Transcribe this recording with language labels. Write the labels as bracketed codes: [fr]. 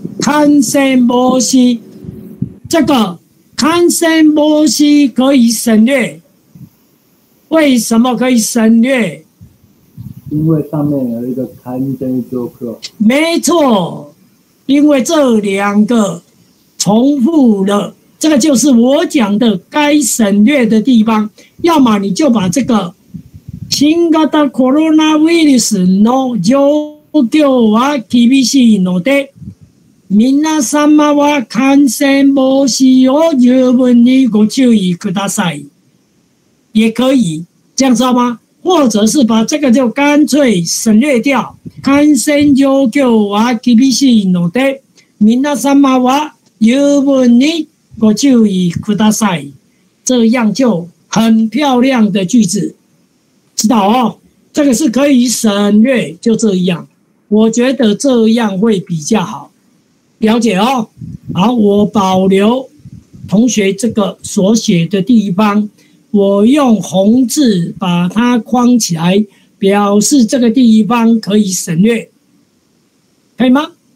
[zh] 感染防止，这个感染防止可以省略。为什么可以省略？因为上面有一个感染就可。没错，因为这两个重复了，这个就是我讲的该省略的地方。 [ja] 要么你就把这个新型コロナウイルスの状況は厳しいので。皆様は感染防止を十分にご注意ください。 [zh] 也可以，这样知道吗？或者是把这个就干脆省略掉。 [ja] 感染状況は厳しいので、皆様は十分にご注意ください。 [zh] 这样就很漂亮的句子，知道哦？这个是可以省略，就这样。我觉得这样会比较好。了解哦，好，我保留同学这个所写的地方，我用红字把它框起来，表示这个地方可以省略，可以吗？